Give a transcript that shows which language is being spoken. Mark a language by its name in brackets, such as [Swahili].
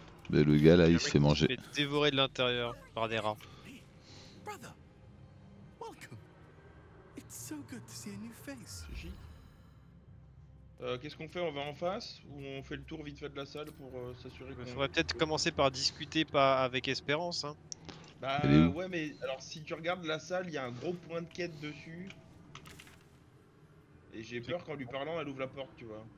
[French] Mais le gars là, il se fait manger. Il se fait dévorer de l'intérieur par des rats. [English] Brother, welcome. It's so good to see a new face. [French] Qu'est-ce qu'on fait? On va en face ou on fait le tour vite fait de la salle pour s'assurer qu'on... Il faudrait peut-être commencer par discuter pas avec Espérance. Hein. Bah ouais, mais alors si tu regardes la salle, il y a un gros point de quête dessus. Et j'ai peur qu'en lui parlant, elle ouvre la porte, tu vois.